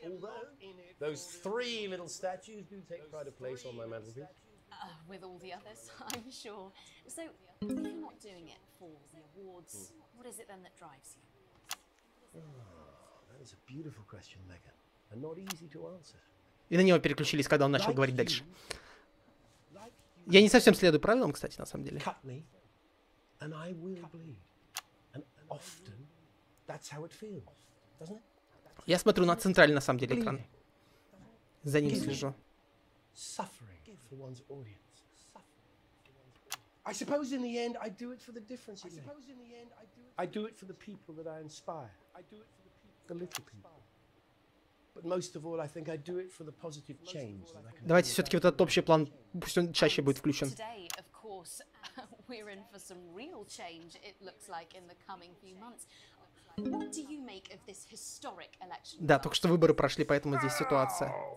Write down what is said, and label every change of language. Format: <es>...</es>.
<en>Although those three little statues do take quite a place on my mantelpiece. With all the others, I'm sure. So if you're not doing it for the awards, what is it then that drives you? That is a beautiful question, Megan, and not easy to answer.</en> <ru>И на него переключились, когда он начал говорить дальше. Я не совсем следую правилам, кстати, на самом деле.</ru> <en>Cut me, and I will bleed. And often, that's how it feels, doesn't it?</en> <ru>Я смотрю на центральный, на самом деле, экран. За ним слежу.</ru> <en>Suffering for one's audience. I suppose in the end I do it for the difference. I suppose in the end I do it. I do it for the people that I inspire. I do it for the people. The little people. But most of all, I think I do it for the positive change.</en> <ru>Давайте все-таки вот этот общий план пусть он чаще будет включен.</ru> <en>Today, of course, we're in for some real change. It looks like in the coming few months. What do you make of this historic election?</en> <ru>Да, только что выборы прошли, поэтому здесь ситуация.</ru>